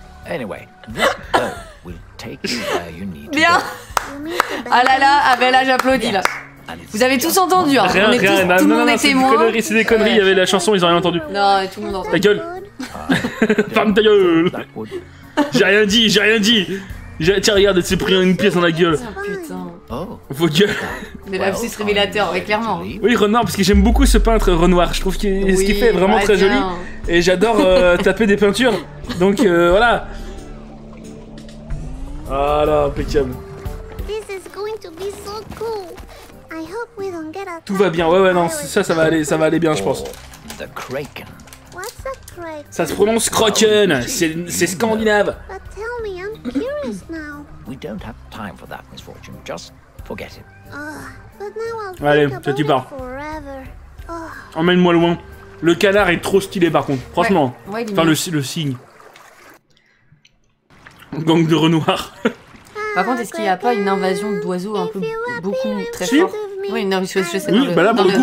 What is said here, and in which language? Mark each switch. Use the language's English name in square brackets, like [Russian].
[English] Anyway, this boat will take you where you need to go. [French] Bien. Ah là là, ah ben là j'applaudis là. Vous avez tous entendu, hein. Rien, tout le monde est témoin. C'est des conneries, c'est des conneries, il y avait la chanson, ils ont rien entendu. Non, tout le monde entend. Ta gueule. Ferme ta gueule. J'ai rien dit. Tiens, regarde, elle s'est pris une pièce dans la gueule. Putain. Vos gueules. Mais là, c'est ce révélateur, ouais, clairement. Oui, Renoir, parce que j'aime beaucoup ce peintre, Renoir. Je trouve que ce qu'il fait est vraiment très joli. Et j'adore taper des peintures. Donc, voilà. Ah là, impeccable. [English] This is going to be so cool. I hope we don't get a... [French] Tout va bien, ouais, non, ça va aller bien, je pense. [English] The Kraken. What's a Kraken? [French] Ça se prononce Kraken, c'est scandinave. [English] But tell me, I'm curious now. We don't have time for that, Miss Fortune, just forget it. But now I'll think about it forever. [French] Emmène-moi loin. Le canard est trop stylé, par contre, franchement. Ouais, enfin, le cygne. Gang de Renoir. Par contre, est-ce qu'il n'y a pas une invasion d'oiseaux un peu beaucoup, très si. Fort? Oui, une invasion d'oiseaux, c'est oui, dans, bah là, dans, le, coup,